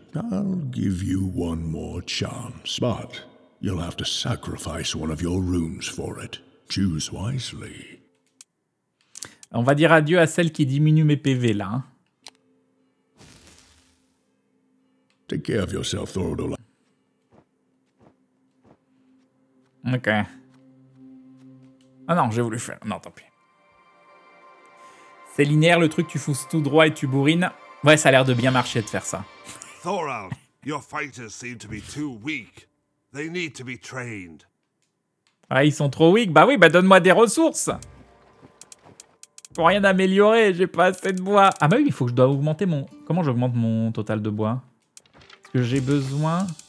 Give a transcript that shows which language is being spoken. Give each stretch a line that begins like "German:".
English: I'll give you one more chance, but you'll have to sacrifice one of your runes for it. Choose wisely.
French: On va dire adieu à celle qui diminue mes PV, là.
English: Take care of yourself, Thord Olafsson.
French: Ok. Ah non, j'ai voulu faire... Non, tant pis. C'est linéaire, le truc, tu fousses tout droit et tu bourrines. Ouais, ça a l'air de bien marcher de faire ça.
English: Thorald, your fighters seem to be too weak. They need to be trained.
French: Ah, ils sont trop weak. Bah oui, bah donne-moi des ressources. Pour rien améliorer, j'ai pas assez de bois. Ah bah oui, il faut que je dois augmenter mon... Comment j'augmente mon total de bois? Est-ce que j'ai besoin...